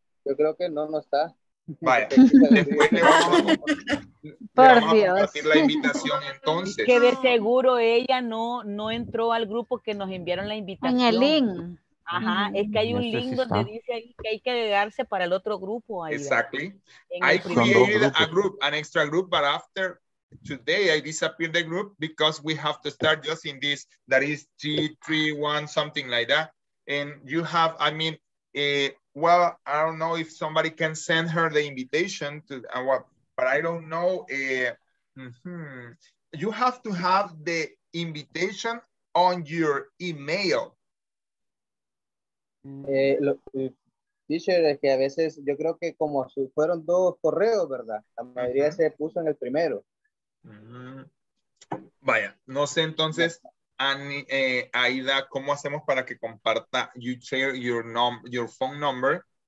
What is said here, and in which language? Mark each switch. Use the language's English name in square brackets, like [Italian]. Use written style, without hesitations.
[Spanish] Yo creo que no está. Vaya, después le vamos a compartir, por vamos a compartir la invitación entonces. Que de seguro ella no entró al grupo que nos enviaron la invitación. En el link. Ajá, es que hay un link donde dice ahí que hay que agregarse para el otro grupo. Ahí, [English] exactly. I created a group, an extra group, but after today I disappeared the group because we have to start using this, that is G31, something like that. And you have, I mean, well, I don't know if somebody can send her the invitation to but I don't know. You have to have the invitation on your email. [Spanish] Teacher, es que a veces yo creo que como fueron dos correos, ¿verdad? La mayoría se puso en el primero. Vaya, no sé entonces, Aida, ¿cómo hacemos para que comparta [English] you share your your phone number?